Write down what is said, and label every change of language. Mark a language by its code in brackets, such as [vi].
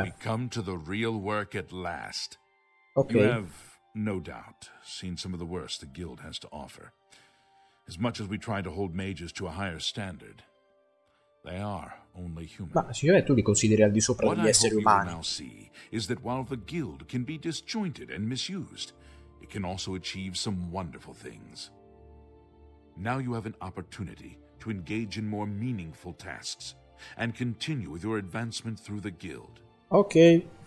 [en] We come to the real work at last. Ok. You have no doubt seen some of the worst the guild has to offer. As much as we try to hold mages to a higher standard, they are only human. [it] Ma signore, tu li consideri al di sopra degli esseri umani? [en] What I hope you see is that while the guild can be disjointed and misused, it can also achieve some wonderful things. Now you have an opportunity to engage in more meaningful tasks and continue with your advancement through the guild. Ok.